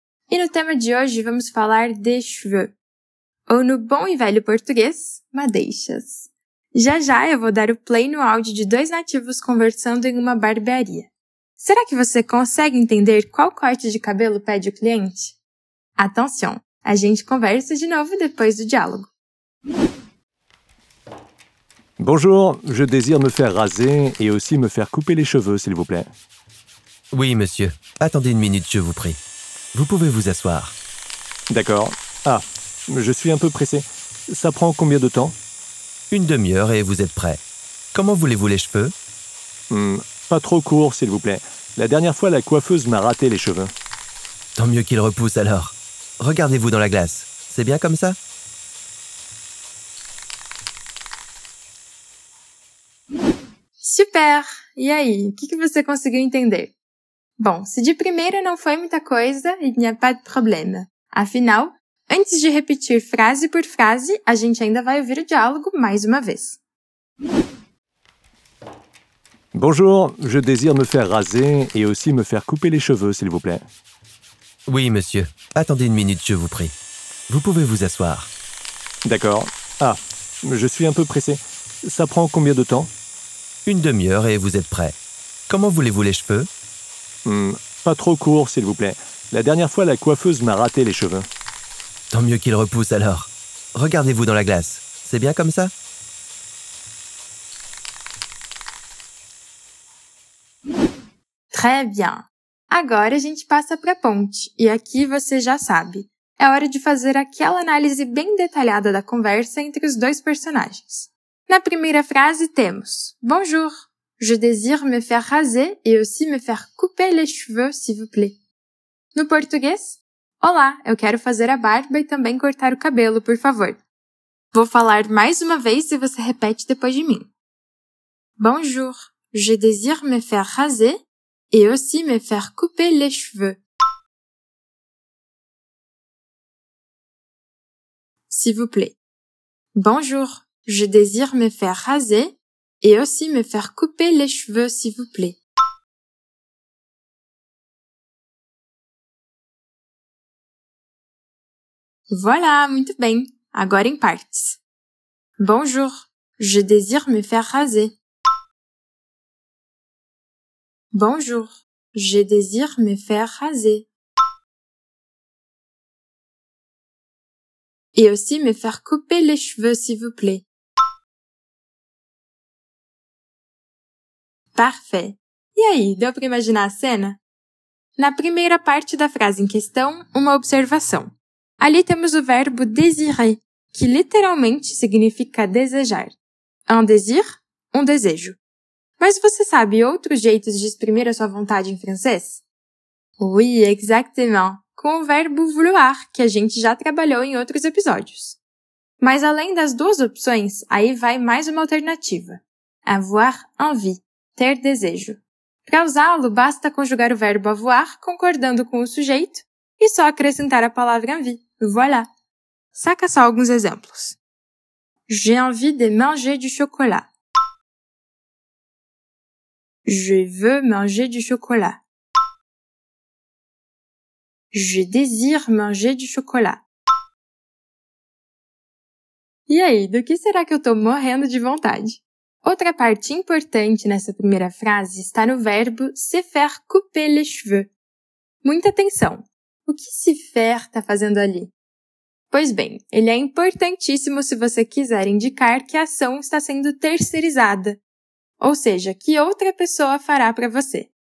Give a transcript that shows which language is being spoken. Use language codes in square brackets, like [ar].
[pt] E no tema de hoje, vamos falar de cheveux. Ou no bom e velho português, madeixas. Já, eu vou dar o play no áudio de dois nativos conversando em uma barbearia. Será que você consegue entender qual corte de cabelo pede o cliente? [fr] Attention! [pt] A gente conversa de novo depois do diálogo. [fr] Bonjour, je désire me faire raser et aussi me faire couper les cheveux, s'il vous plaît. Oui, monsieur. Attendez une minute, je vous prie. Vous pouvez vous asseoir. D'accord. Ah, je suis un peu pressé. Ça prend combien de temps? Une demi-heure et vous êtes prêt. Comment voulez-vous les cheveux? Pas trop court, s'il vous plaît. La dernière fois, la coiffeuse m'a raté les cheveux. Tant mieux qu'ils repoussent alors. Regardez-vous dans la glace. C'est bien comme ça? Super! [pt] E aí, o que você conseguiu entender? Bom, se de primeira não foi muita coisa, [fr] il n'y a pas de problème. [pt] Afinal, antes de repetir frase por frase, a gente ainda vai ouvir o diálogo mais uma vez. [fr] Bonjour, je désire me faire raser et aussi me faire couper les cheveux, s'il vous plaît. Oui, monsieur. Attendez une minute, je vous prie. Vous pouvez vous asseoir. D'accord. Ah, je suis un peu pressé. Ça prend combien de temps? Une demi-heure et vous êtes prêt. Comment voulez-vous les cheveux? Pas trop court, s'il vous plaît. La dernière fois, la coiffeuse m'a raté les cheveux. Tant mieux qu'il repousse alors. Regardez-vous dans la glace. C'est bien comme ça? Très bien. [pt] Agora a gente passa para a ponte. E aqui você já sabe. É hora de fazer aquela análise bem detalhada da conversa entre os dois personagens. Na primeira frase temos: Bonjour. [fr] Je désire me faire raser et aussi me faire couper les cheveux, s'il vous plaît. [pt] No português, Olá, eu quero fazer a barba e também cortar o cabelo, por favor. Vou falar mais uma vez e você repete depois de mim. [fr] Bonjour, je désire me faire raser et aussi me faire couper les cheveux. S'il vous plaît. Bonjour, je désire me faire raser et aussi me faire couper les cheveux, s'il vous plaît. Voilà, [pt] muito bem. Agora em partes. [fr] Bonjour, je désire me faire raser. Bonjour, je désire me faire raser. Et aussi me faire couper les cheveux, s'il vous plaît. Parfait. [pt] E aí, deu para imaginar a cena? Na primeira parte da frase em questão, uma observação. Ali temos o verbo désirer, que literalmente significa desejar. [fr] Un désir, [pt] um desejo. Mas você sabe outros jeitos de exprimir a sua vontade em francês? [fr] Oui, exactement. [pt] Com o verbo vouloir, que a gente já trabalhou em outros episódios. Mas além das duas opções, aí vai mais uma alternativa. [fr] Avoir envie, [pt] ter desejo. Para usá-lo, basta conjugar o verbo avoir concordando com o sujeito e só acrescentar a palavra envie. Voilà! Saca só alguns exemplos. [fr] J'ai envie de manger du chocolat. Je veux manger du chocolat. Je désire manger du chocolat. [pt] E aí, do que será que eu estou morrendo de vontade? Outra parte importante nessa primeira frase está no verbo [fr] se faire couper les cheveux. [pt] Muita atenção! O que se faire está fazendo ali? Pois bem, ele é importantíssimo se você quiser indicar que a ação está sendo terceirizada, ou seja, que outra pessoa fará para você.